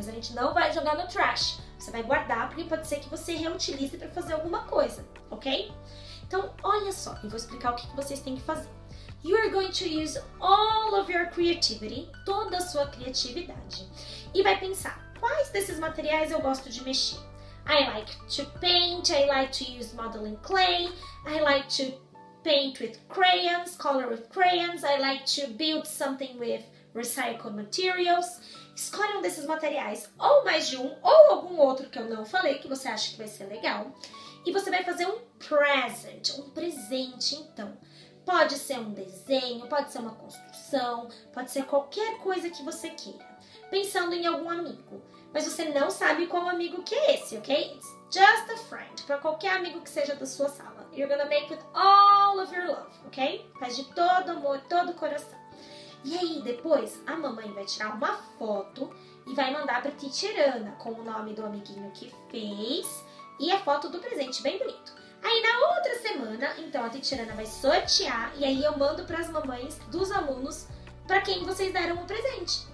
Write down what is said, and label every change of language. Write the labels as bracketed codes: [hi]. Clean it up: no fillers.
[pt] Mas a gente não vai jogar no trash. Você vai guardar porque pode ser que você reutilize para fazer alguma coisa, ok? Então, olha só. Eu vou explicar o que vocês têm que fazer. [en] You are going to use all of your creativity, [pt] toda a sua criatividade. E vai pensar, quais desses materiais eu gosto de mexer? [en] I like to paint, I like to use modeling clay, I like to paint with crayons, color with crayons, I like to build something with recycled materials. [pt] Escolhe um desses materiais, ou mais de um, ou algum outro que eu não falei, que você acha que vai ser legal. E você vai fazer um presente, então. Pode ser um desenho, pode ser uma construção, pode ser qualquer coisa que você queira. Pensando em algum amigo. Mas você não sabe qual amigo que é esse, ok? [en] It's just a friend. [pt] Para qualquer amigo que seja da sua sala. [en] You're gonna make with all of your love, ok? [pt] Faz de todo amor, todo coração. E aí, depois, a mamãe vai tirar uma foto e vai mandar pra Titirana com o nome do amiguinho que fez e a foto do presente, bem bonito. Aí, na outra semana, então, a Titirana vai sortear e aí eu mando pras mamães dos alunos pra quem vocês deram o presente.